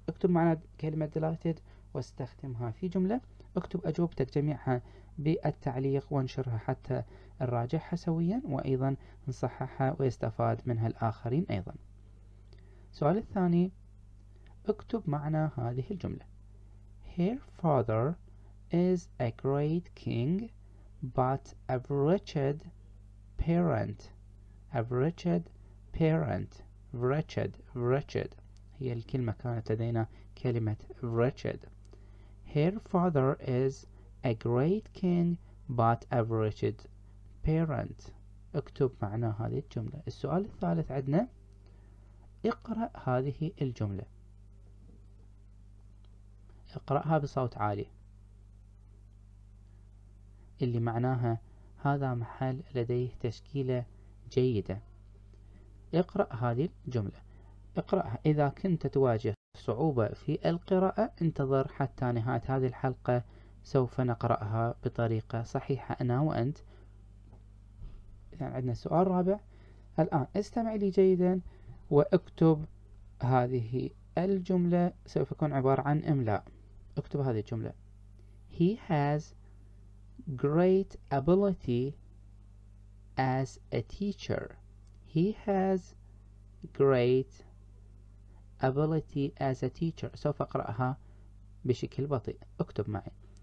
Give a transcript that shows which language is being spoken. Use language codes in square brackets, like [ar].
[ar] اكتب معنى كلمة delighted واستخدمها في جملة. اكتب أجوبتك جميعها بالتعليق وانشرها حتى نراجعها سويا وأيضا نصححها ويستفاد منها الآخرين أيضا. السؤال الثاني، اكتب معنى هذه الجملة. [en] Her father is a great king but a wretched parent. A wretched parent. Wretched. Wretched. [ar] هي الكلمة كانت لدينا كلمة wretched. [en] Her father is a great king but a wretched parent. [ar] اكتب معنى هذه الجملة. السؤال الثالث عندنا، اقرأ هذه الجملة. اقرأها بصوت عالي، اللي معناها هذا محل لديه تشكيلة جيدة. اقرأ هذه الجملة، اقرأها. إذا كنت تواجه صعوبة في القراءة انتظر حتى نهاية هذه الحلقة، سوف نقرأها بطريقة صحيحة أنا وأنت. إذن عندنا سؤال رابع، الآن استمع لي جيدا واكتب هذه الجملة. سوف يكون عبارة عن إملاء. اكتب هذه الجملة. [en] He has great ability as a teacher. He has great ability as a teacher. [ar] سوف أقرأها بشكل بطيء. اكتب معي.